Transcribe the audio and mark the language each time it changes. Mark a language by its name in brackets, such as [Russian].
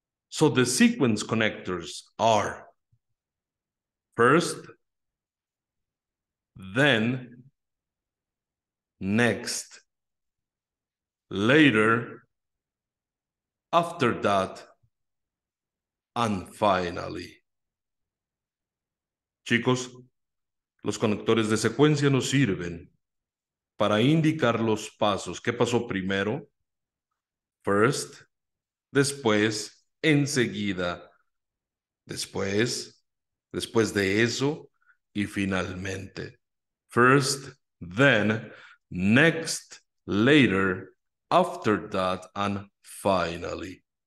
[English] So the sequence connectors are first, then, next, later, after that, and finally. [Spanish] Chicos, los conectores de secuencia nos sirven para indicar los pasos. ¿Qué pasó primero? First, después, enseguida, después de eso, y finalmente. [English] First, then, next, later, after that, and finally.